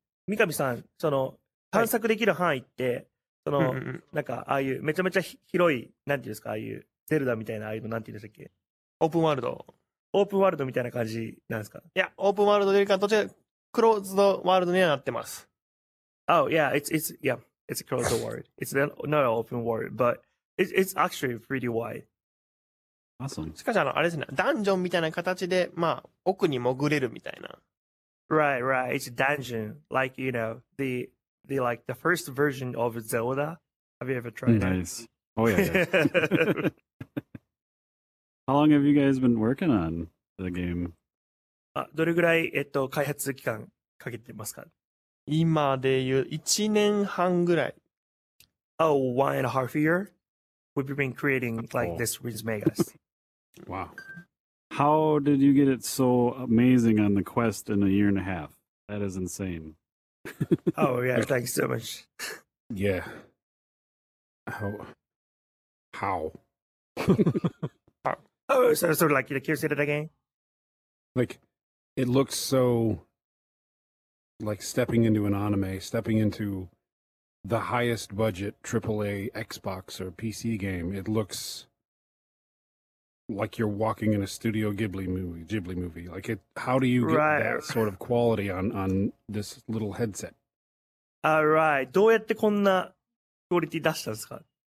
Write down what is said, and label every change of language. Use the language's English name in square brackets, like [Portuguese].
[Japanese] Mikami-san, その探索できる範囲って、そのなんかああいうめちゃめちゃ広い、なんていうんですか、ああいうゼルダみたいな、ああいうのなんていうんですか、オープンワールド。オープンワールドみたいな感じなんですか？いや、オープンワールドよりか、どちらかクローズドワールドにはなってます。 [English] Oh, yeah, it's a closed world. It's not an open world, but it's actually pretty wide. Awesome. [Japanese] しかし、あれですね、ダンジョンみたいな形で、まあ、奥に潜れるみたいな。 [English] Right, right. It's a dungeon. Like, you know, the first version of Zelda. Have you ever tried that? Nice. Oh, yeah. How long have you guys been working on the game? [Japanese] どれぐらい、開発期間かけてますか？今で言う1年半ぐらい。 [English] Oh, one and a half year? We've been creating like this with Magus. Wow. How did you get it so amazing on the quest in a year and a half? That is insane. Oh, yeah. Thanks so much. Yeah. How? How? Oh, so like, can you say that again? Like, it looks so... like stepping into an anime, stepping into the highest budget AAA Xbox or PC game. It looks like you're walking in a Studio Ghibli movie. Like it, how do you get right. that sort of quality on this little headset? All right. [Japanese] どうやってこんなクオリティ出したんですか？